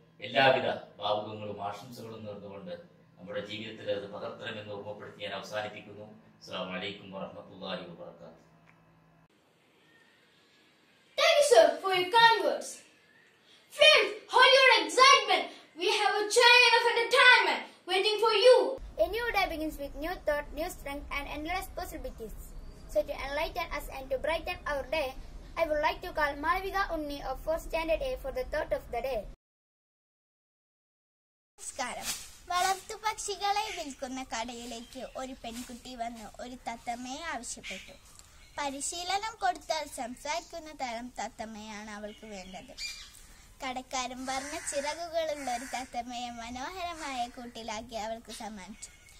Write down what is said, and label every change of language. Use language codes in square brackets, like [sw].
[ml] എല്ലാവിധ ഭാവുകങ്ങളും ആശംസകളും നേർന്നുകൊണ്ട് നമ്മുടെ ജീവിതത്തിൽ അത് പകർത്തണമെന്ന് ഓർമ്മപ്പെടുത്തി ഞാൻ അവസാനിപ്പിക്കുന്നു. [ar] അസ്സലാമു അലൈക്കും വറഹ്മത്തുള്ളാഹി വബറകാതുഹു. [en] Thank you sir for your kind words. Friends, hold your excitement, we have a child of entertainment waiting for you. A new day begins with new thought, new strength, and endless possibilities. so to enlighten us and to brighten our day, I would like to call Malvika Unni of 4th Standard A for the thought of the day. [ml] നമസ്കാരം. വളർത്തു പക്ഷികളെ വിൽക്കുന്ന കടയിലേക്ക് ഒരു പെൺകുട്ടി വന്ന് ഒരു തത്തമ്മയെ ആവശ്യപ്പെട്ടു. പരിശീലനം കൊടുത്താൽ സംസാരിക്കുന്ന തരം തത്തമ്മയാണ് അവൾക്ക് വേണ്ടത്. കടക്കാരൻ വർണ്ണ ചിറകുകളുള്ള ഒരു തത്തമ്മയെ മനോഹരമായ കൂട്ടിലാക്കി അവൾക്ക് സമ്മാനിച്ചു.